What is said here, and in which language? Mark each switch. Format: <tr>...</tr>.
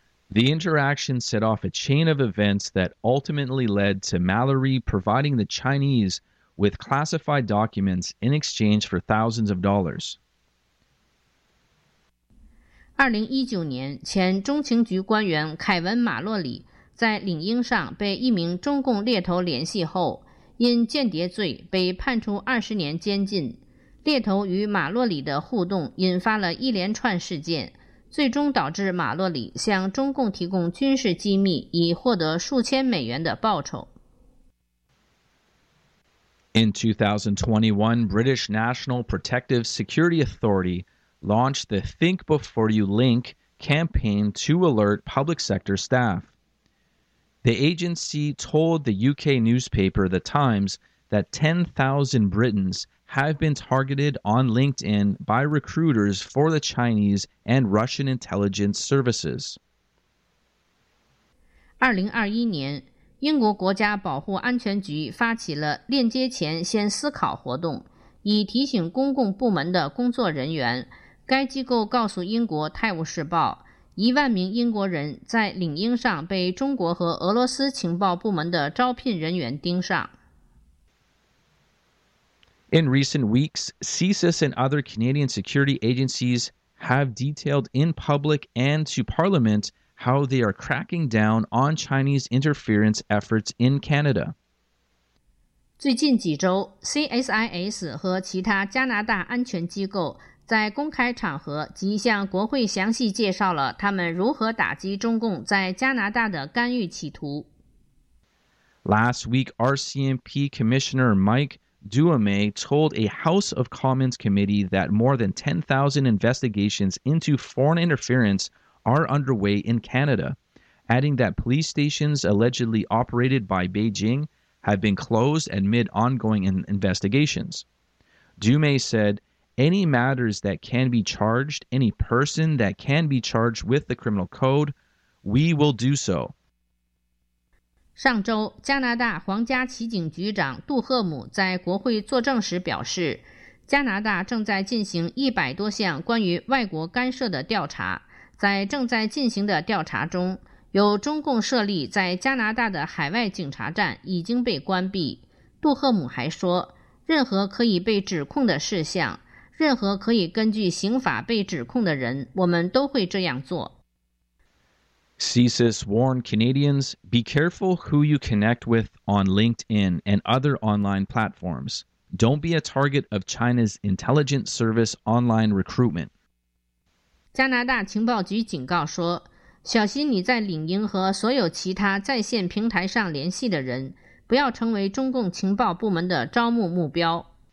<en>The interaction set off a chain of events that ultimately led to Mallory providing the Chinese with classified documents in exchange for thousands of dollars.</en> <zh>2019年，前中情局官员凯文·马洛里在领英上被一名中共猎头联系后，因间谍罪被判处20年监禁。猎头与马洛里的互动引发了一连串事件，最终导致马洛里向中共提供军事机密，以获得数千美元的报酬。</zh> <en>In 2021, British National Protective Security Authority. Launched the Think Before You Link campaign to alert public sector staff. The agency told the UK newspaper The Times that 10,000 Britons have been targeted on LinkedIn by recruiters for the Chinese and Russian intelligence services.</en> <zh>2021年，英国国家保护安全局发起了链接前先思考活动，以提醒公共部门的工作人员。该机构告诉英国《泰晤士报》，10,000名英国人在领英上被中国和俄罗斯情报部门的招聘人员盯上。</zh> <en>In recent weeks, CSIS and other Canadian security agencies have detailed in public and to Parliament how they are cracking down on Chinese interference efforts in Canada.</en> <zh>最近几周 ，CSIS 和其他加拿大安全机构。在公开场合即向国会详细介绍了他们如何打击中共在加拿大的干预企图。</zh> <en>Last week, RCMP Commissioner Mike Duhamel told a House of Commons committee that more than 10,000 investigations into foreign interference are underway in Canada, adding that police stations allegedly operated by Beijing have been closed amid ongoing investigations. Duhamel said,Any matters that can be charged, any person that can be charged with the criminal code, we will do so.</en> <zh>上周，加拿大皇家骑警局长杜赫姆在国会作证时表示，加拿大正在进行100多项关于外国干涉的调查。在正在进行的调查中，有中共设立在加拿大的海外警察站已经被关闭。杜赫姆还说，任何可以被指控的事项。任何可以根据刑法被指控的人，我们都会这样做。</zh> <en>CSIS warned Canadians, be careful who you connect with on LinkedIn and other online platforms. Don't be a target of China's intelligence service online recruitment.</en> <zh>加拿大情报局警告说，小心你在领英和所有其他在线平台上联系的人，不要成为中共情报部门的招募目标。</zh>